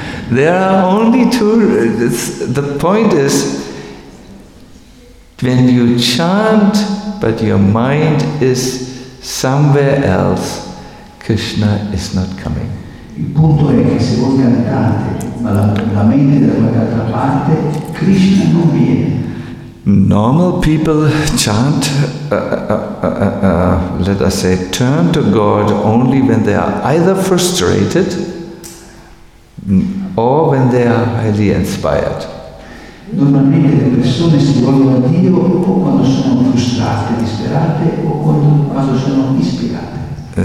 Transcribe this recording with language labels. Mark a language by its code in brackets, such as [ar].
[en] There are only two. The point is, when you chant, but your mind is somewhere else, Krishna is not coming. [it] Il punto è che se voi cantate, ma la mente da qualche altra parte, Krishna non viene. [en] Normal people chant, let us say, turn to God only when they are either frustrated or when they are highly inspired. [it] Normalmente le persone si volgono a Dio o quando sono frustrate, disperate o quando sono ispirate.